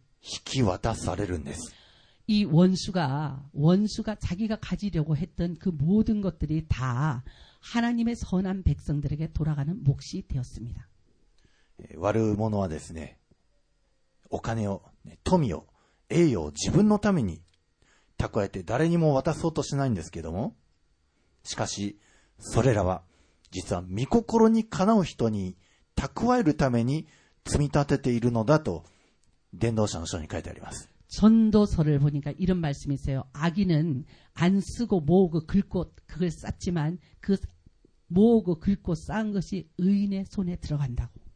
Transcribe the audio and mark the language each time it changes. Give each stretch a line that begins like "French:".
Japanese: そしてその敵が蓄えた全ての栄誉や富、それらはそのまま主を恐れ敬うために引き渡されるんです。
Korean: 이 원수가 자기가 가지려고 했던 그 모든 것들이 다 하나님의 선한 백성들에게 돌아가는 몫이 되었습니다.
Japanese: 悪いものはですね、お金を、富を、栄誉を自分のために蓄えて誰にも渡そうとしないんですけども、しかしそれらは実は御心にかなう人に蓄えるために積み立てているのだと伝道者の書に書いてあります。
Korean: 전도서를 보니까 이런 말씀이세요. 악인은 안 쓰고 모으고 긁고 그걸 쌌지만 그 모으고 긁고 쌓은 것이 의인의 손에 들어간다고.